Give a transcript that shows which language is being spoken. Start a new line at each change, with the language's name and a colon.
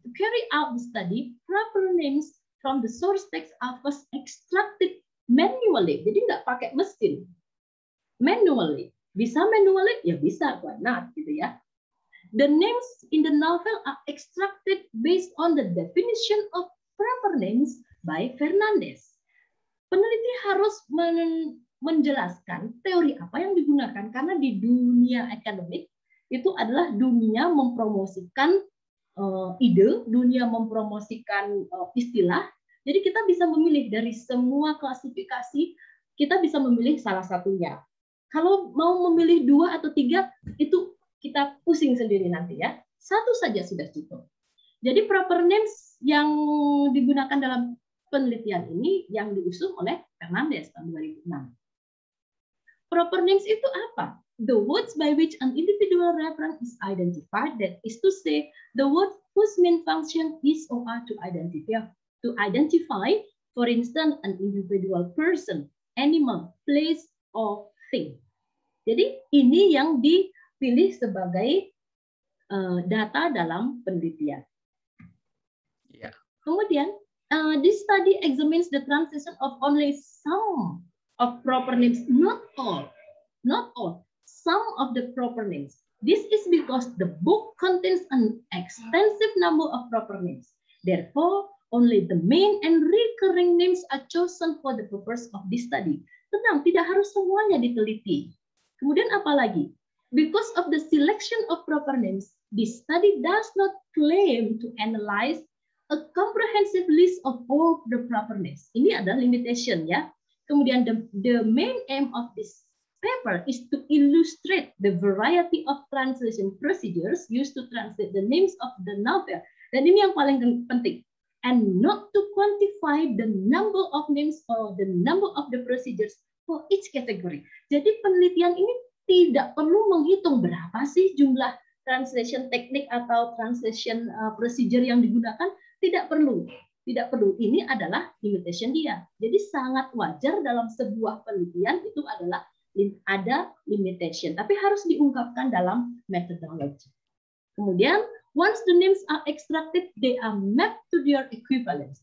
English: To carry out the study, proper names from the source text are first extracted manually.
Indonesian: Jadi nggak pakai mesin. Manually. Bisa manually? Ya bisa,
English: why not?
Indonesian: Gitu ya.
English: The names in the novel are extracted based on the definition of proper names by Fernandez.
Indonesian: Peneliti harus menjelaskan teori apa yang digunakan, karena di dunia akademik itu adalah dunia mempromosikan ide, dunia mempromosikan istilah. Jadi kita bisa memilih dari semua klasifikasi, kita bisa memilih salah satunya. Kalau mau memilih dua atau tiga, itu kita pusing sendiri nanti ya. Satu saja sudah cukup. Jadi proper names yang digunakan dalam penelitian ini yang diusung oleh Fernandez tahun 2006. Proper names itu apa?
English: The words by which an individual reference is identified, that is to say, the word whose main function is or are to identify, for instance, an individual person, animal, place, or thing.
Indonesian: Jadi ini yang di pilih sebagai data dalam penelitian. Yeah.
English: Kemudian, this study examines the transition of only some of proper names, not all, some of the proper names. This is because the book contains an extensive number of proper names. Therefore, only the main and recurring names are chosen for the purpose of this study.
Indonesian: Tenang, tidak harus semuanya diteliti. Kemudian apa lagi?
English: Because of the selection of proper names, this study does not claim to analyze a comprehensive list of all the proper names.
Indonesian: Ini ada limitation ya.
English: Kemudian the main aim of this paper is to illustrate the variety of translation procedures used to translate the names of the novel.
Indonesian: Dan ini yang paling penting.
English: And not to quantify the number of names or the number of the procedures for each category.
Indonesian: Jadi penelitian ini tidak perlu menghitung berapa sih jumlah translation teknik atau translation procedure yang digunakan, tidak perlu. Ini adalah limitation dia. Jadi sangat wajar dalam sebuah penelitian itu adalah ada limitation, tapi harus diungkapkan dalam methodology.
English: Kemudian once the names are extracted, they are mapped to their equivalents.